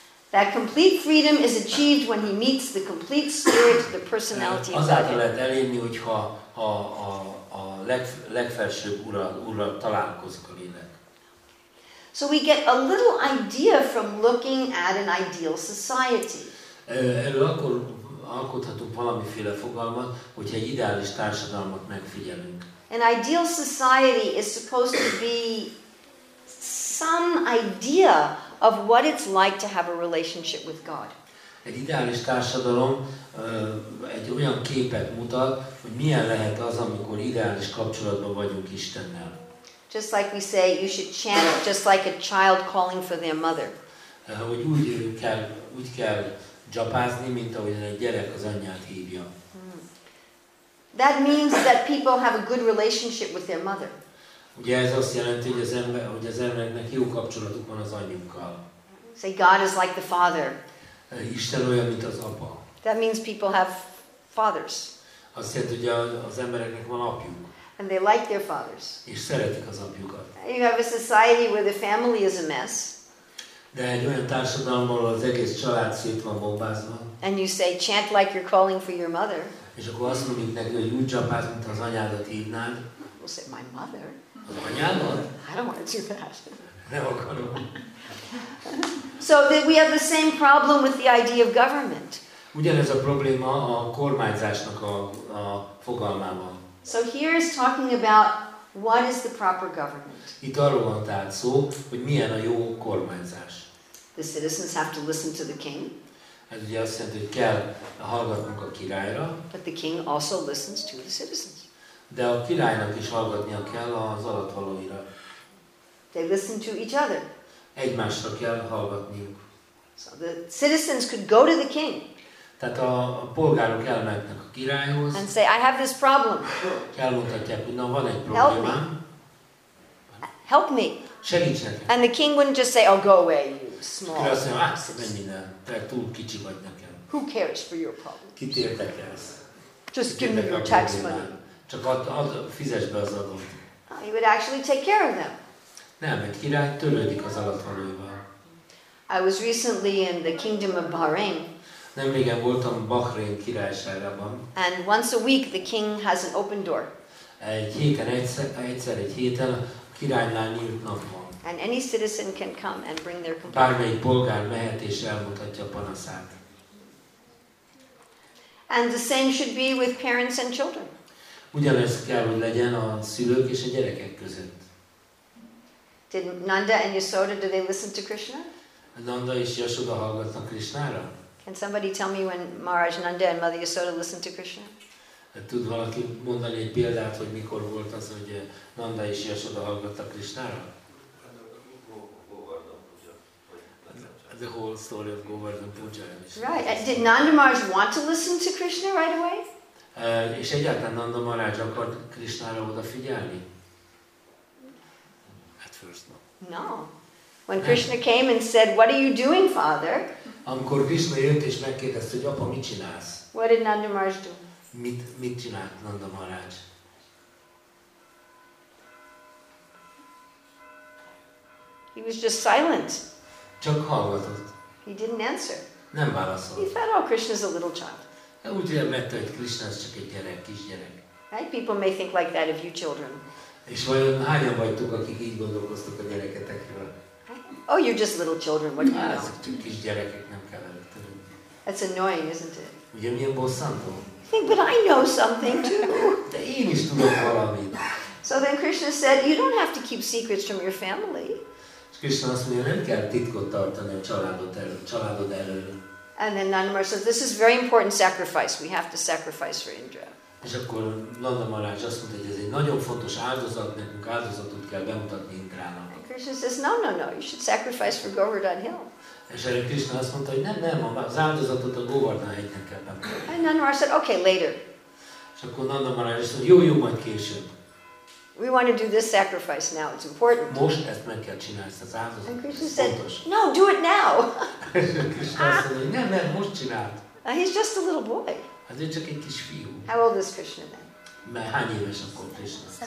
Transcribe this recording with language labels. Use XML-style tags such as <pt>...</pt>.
<en>that complete freedom is achieved when he meets the complete spirit, the personality of Godhead.</en> <hu>Azáltal lehet elérni, hogyha a legfelsőbb úrral találkozik a lélek.</hu> <en>So we get a little idea from looking at an ideal society.</en> <hu>Erről akkor alkothatunk valamiféle fogalmat, hogyha egy ideális társadalmat megfigyelünk.</hu> <en>An ideal society is supposed to be some idea of what it's like to have a relationship with God.</en> <hu>Egy ideális társadalom egy olyan képet mutat, hogy milyen lehet az, amikor ideális kapcsolatban vagyunk Istennel.</hu> <en>Just like we say, you should chant just like a child calling for their mother.</en> <hu>Hogy úgy kell japázni, mint ahogyan egy gyerek az anyját hívja.</hu> <en>That means that people have a good relationship with their mother.</en> <hu>Ugye ez azt jelenti, hogy az embernek jó kapcsolatuk van az anyjukkal.</hu> <en>Say God is like the father.</en> <hu>Isten olyan, mint az apa.</hu> <en>That means people have fathers.</en> <hu>Azt jelenti, hogy az embereknek van apjuk.</hu> <en>And they like their fathers.</en> <hu>És szeretik az apjukat.</hu> <en>You have a society where the family is a mess.</en> <hu>De egy olyan társadalommal, az egész család szét van bombázva.</hu> <en>And you say, chant like you're calling for your mother.</en> <hu>És akkor azt mondjuk neki, hogy úgy csapás, mint az anyádat hívnád.</hu> <en>We'll say, my mother.</en> <hu>Az anyádat?</hu> <en>I don't want to do that.</en> <hu>Nem akarom.</hu> <en>So that we have the same problem with the idea of government.</en> <hu>Ugyanez a probléma a kormányzásnak a fogalmával.</hu> <en>So here is talking about what is the proper government.</en> <hu>Itt arról van tehát szó, hogy milyen a jó kormányzás.</hu> <en>The citizens have to listen to the king.</en> <hu>Ez ugye azt jelenti, hogy kell hallgatnunk a királyra.</hu> <en>But the king also listens to the citizens.</en> <hu>De a királynak is hallgatnia kell az alattvalóira.</hu> <en>They listen to each other.</en> <hu>Egymásra kell hallgatniuk.</hu> <en>So the citizens could go to the king.</en> <hu>Tehát a polgárok elmentnek a királyhoz.</hu> <en>And say, I have this problem.</en> <hu>Elmondhatják, hogy na, van egy problémám.</hu> <en>Help me. Help me.</en> <hu>Segíts nekem.</hu> <en>And the king wouldn't just say, oh, go away, you small.</en> <hu>Azt mondja, menj innen, te túl kicsi vagy nekem.</hu> <en>Who cares for your problems?</en> <hu>Kit érdekelsz?</hu> <en>Just give me your tax money.</en> <hu>Csak fizesd be az adót.</hu> <en>He would actually take care of them.</en> <hu>Nem, egy király törődik az alattvalóival.</hu> <en>I was recently in the kingdom of Bahrain.</en> <hu>Nemrégen voltam Bahrain királyságában.</hu> <en>And once a week the king has an open door.</en> <hu>Egy héten a királynál nyílt nap van.</hu> <en>And any citizen can come and bring their complaint.</en> <hu>Bármely polgár mehet és elmutatja panaszát.</hu> <en>And the same should be with parents and children.</en> <hu>Ugyanez kell, hogy legyen a szülők és a gyerekek között.</hu> <en>Did Nanda and Yasoda, do they listen to Krishna?</en> <hu>Nanda és Yasoda hallgatnak Krishnára?</hu> <en>Can somebody tell me when Maharaj Nanda and Mother Yasoda listened to Krishna?</en> <hu>Tud valaki mondani egy példát, hogy mikor volt az, hogy Nanda és Yasoda hallgattak Krishnára?</hu> <en>The whole story of Govardhan Puja. Right. Did Nanda Maharaj want to listen to Krishna right away?</en> <hu>És egyáltalán Nanda Maharaj akart Krishnára odafigyelni?</hu> <en>No. When Krishna came and said, "What are you doing, father?"</en> <hu>Amikor Krishna jött és megkérdezte, hogy apa, mit csinálsz?</hu> <en>What did Nanda Maharaj do?</en> <hu>Mit csinált Nanda Maharaj?</hu> <en>He was just silent.</en> <hu>Csak hallgatott.</hu> <en>He didn't answer.</en> <hu>Nem válaszolt.</hu> <en>He thought, "Oh, Krishna's a little child."</en> <hu>Úgy remélte, hogy Krishna csak egy gyerek, kisgyerek.</hu> <en>Right? People may think like that of you children.</en> <hu>És vajon hányan vagytok, akik így gondolkoztok a gyereketekről?</hu> <en>Oh, you're just little children, what do you know?</en> <hu>Azok csak kis gyerekek, nem kell előttelünk.</hu> <en>That's annoying, isn't it?</en> <hu>Ugye milyen bosszantó?</hu> <en>Think, but I know something too.</en> <hu>De én is tudok valamit.</hu> <en>So then Krishna said, you don't have to keep secrets from your family.</en> <hu>És Krishna azt mondja, nem kell titkot tartani a családod elől.</hu> <en>And then Nanda Maharaj says, this is very important sacrifice. We have to sacrifice for Indra.</en> <hu>És akkor Nanda Maharaj azt mondta, hogy ez egy nagyon fontos áldozat, nekünk áldozatot kell bemutatni Indrának.</hu> <en>And Krishna says, no, you should sacrifice for Govardhan Hill.</en> <hu>És erre Krishna azt mondta, hogy nem, az áldozatot a Govardhan hegynek kell bemutatni.</hu> <en>And Nanda Maharaj said, okay, later.</en> <hu>És akkor Nanda Maharaj azt mondta, jó, majd később.</hu> <en>We want to do this sacrifice now, it's important.</en> <hu>Most ezt meg kell csinálni, ezt az áldozatot.</hu> <en>And Krishna said, no, do it now.</en> <hu>És Krishna azt mondta, hogy nem, most csináld.</hu> <en>He's just a little boy.</en> <hu>Hát ő csak egy kis fiú.</hu> <en>How old is Krishna then?</en> <hu>Mert hány éves akkor Krishna?</hu>